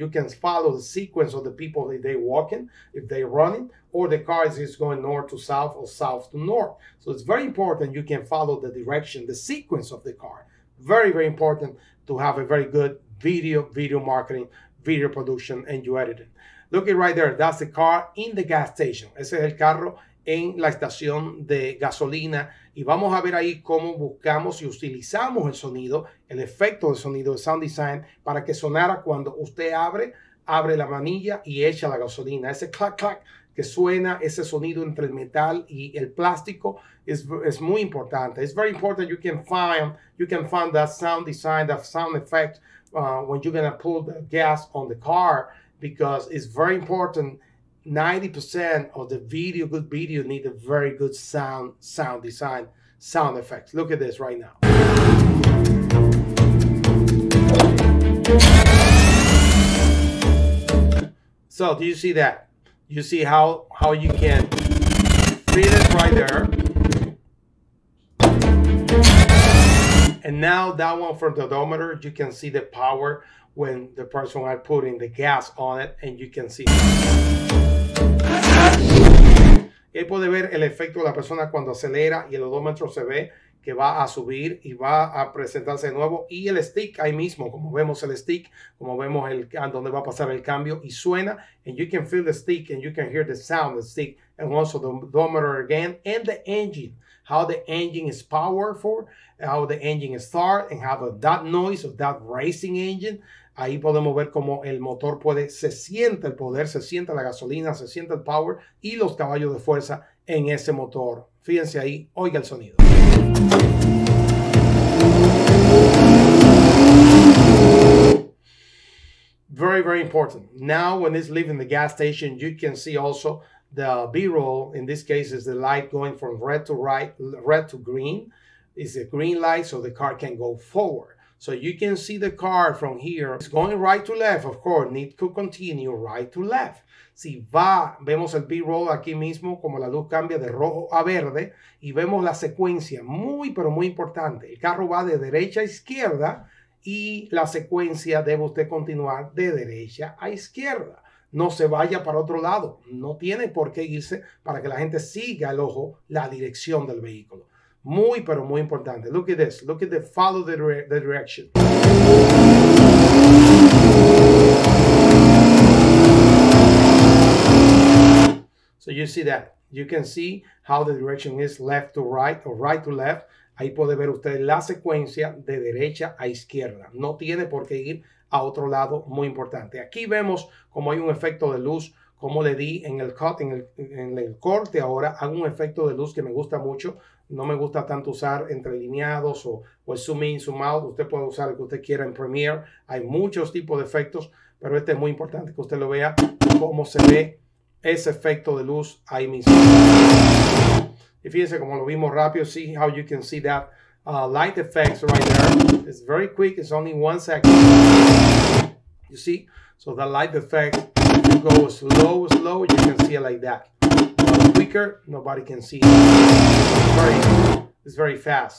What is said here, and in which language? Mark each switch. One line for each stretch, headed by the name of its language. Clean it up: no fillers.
English: You can follow the sequence of the people that they walking, if they're running, or the car is going north to south or south to north. So it's very important you can follow the direction, the sequence of the car. Very, very important to have a very good video marketing, video production, and you edit it. Look it right there. That's the car in the gas station.
Spanish: Ese es el carro en la estación de gasolina, y vamos a ver ahí cómo buscamos y utilizamos el sonido, el efecto de sonido de sound design, para que sonara cuando usted abre la manilla y echa la gasolina. Ese clac, clac, que suena ese sonido entre el metal y el plástico, es muy importante.
English: It's very important you can find that sound design, that sound effect when you're gonna pull the gas on the car, because it's very important. 90% of the video, good video, need a very good sound design, sound effects. Look at this right now. So, do you see that? You see how you can feel it right there? And now that one from the odometer, you can see the power when the person had put in the gas on it, and you can see.
Spanish: Él puede ver el efecto de la persona cuando acelera y el odómetro se ve que va a subir y va a presentarse de nuevo. Y el stick ahí mismo, como vemos el stick, como vemos el donde va a pasar el cambio y suena.
English: And you can feel the stick and you can hear the sound of the stick. And also the odometer again and the engine. How the engine is powerful, how the engine starts and how that noise of that racing engine.
Spanish: Ahí podemos ver cómo el motor puede, se siente el poder, se siente la gasolina, se siente el power y los caballos de fuerza en ese motor. Fíjense ahí, oiga el sonido.
English: Very, very important. Now when it's leaving the gas station, you can see also the B-roll. In this case, is the light going from red to right, red to green. It's a green light so the car can go forward. So you can see the car from here. It's going right to left, of course. Need to continue right to left.
Spanish: Si va, vemos el B-roll aquí mismo, como la luz cambia de rojo a verde. Y vemos la secuencia, muy, pero muy importante. El carro va de derecha a izquierda y la secuencia debe usted continuar de derecha a izquierda. No se vaya para otro lado. No tiene por qué irse para que la gente siga el ojo la dirección del vehículo. Muy, pero muy importante.
English: Look at this. Look at the follow the direction. So you see that. You can see how the direction is left to right or right to left.
Spanish: Ahí puede ver usted la secuencia de derecha a izquierda. No tiene por qué ir a otro lado. Muy importante. Aquí vemos cómo hay un efecto de luz. Como le di en el cut, en el corte ahora, hago un efecto de luz que me gusta mucho. No me gusta tanto usar entrelineados o el zoom in, zoom out. Usted puede usar el que usted quiera en Premiere. Hay muchos tipos de efectos, pero este es muy importante que usted lo vea cómo se ve ese efecto de luz ahí mismo. Y fíjense como lo vimos rápido.
English: See how you can see that light effects right there. It's very quick. It's only 1 second. You see? So that light effect, you go slow, slow, you can see it like that. Quicker, nobody can see it. It's very fast.